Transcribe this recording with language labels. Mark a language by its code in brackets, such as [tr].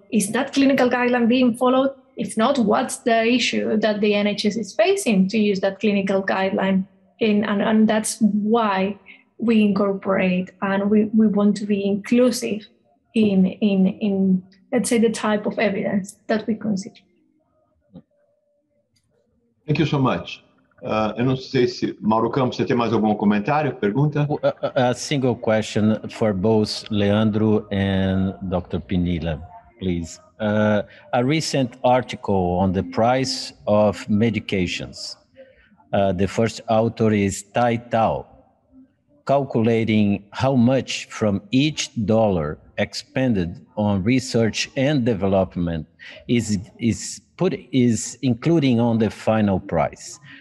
[en] Is that clinical guideline being followed? If not, what's the issue that the NHS is facing to use that clinical guideline? And that's why we incorporate, and we want to be inclusive in let's say the type of evidence that we consider. Thank you so much. [pt] Eu não sei se Mauro Campos, você tem mais algum comentário, pergunta? [en] A single question for both Leandro and Dr. Pinilla, please. A recent article on the price of medications. The first author is Tai Tao, calculating how much from each dollar expended on research and development is including on the final price.